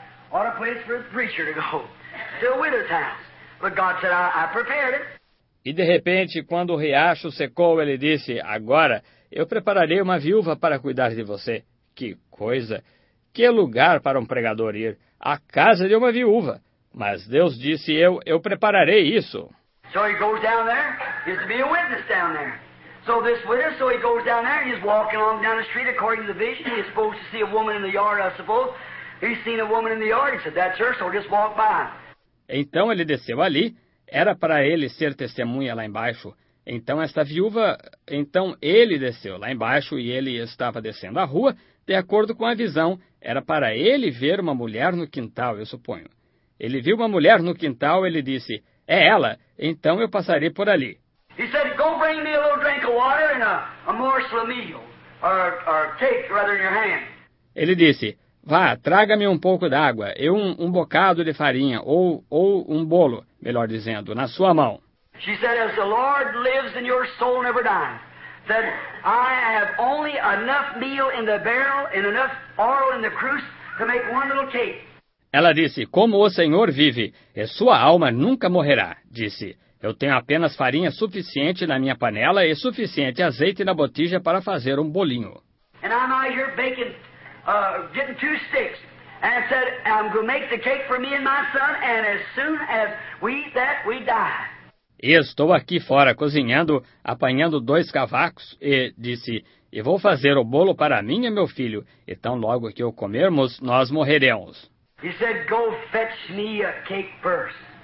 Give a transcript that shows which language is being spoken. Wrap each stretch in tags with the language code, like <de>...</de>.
<en>What a place for a preacher to go. Still widow's house. But God said, I prepared it.</en> <pt>E de repente, quando o riacho secou, ele disse, agora eu prepararei uma viúva para cuidar de você. Que coisa! Que lugar para um pregador ir? A casa de uma viúva. Mas Deus disse, eu prepararei isso.</pt> <en>So he goes down there, he has to be a witness down there. So this widow, so he goes down there, he's walking along down the street according to the vision. He is supposed to see a woman in the yard, I suppose. He seen a woman in the yard, he said, that's her, so just walk by.</en> <pt>Então ele desceu ali, era para ele ser testemunha lá embaixo. Então esta viúva, então ele desceu lá embaixo e ele estava descendo a rua, de acordo com a visão, era para ele ver uma mulher no quintal, eu suponho. Ele viu uma mulher no quintal, ele disse, é ela, então eu passarei por ali.</pt> <en>He said, go bring me a little drink of water and a morsel of meal, or cake rather in your hand.</en> <pt>Ele disse, vá, traga-me um pouco d'água e um bocado de farinha, ou um bolo, melhor dizendo, na sua mão.</pt> <en>She said, as the Lord lives and your soul never dies, that I have only enough meal in the barrel and enough oil in the cruse to make one little cake.</en> <pt>Ela disse, como o Senhor vive, e sua alma nunca morrerá. Disse, eu tenho apenas farinha suficiente na minha panela e suficiente azeite na botija para fazer um bolinho.</pt> <en>And I'm out here baking, getting two sticks, and said, I'm going to make the cake for me and my son, and as soon as we eat that, we die.</en> <pt>E estou aqui fora cozinhando, apanhando dois cavacos, e disse, e vou fazer o bolo para mim e meu filho, e tão logo que o comermos, nós morreremos.</pt> <en>He said, go fetch me a cake first.</en>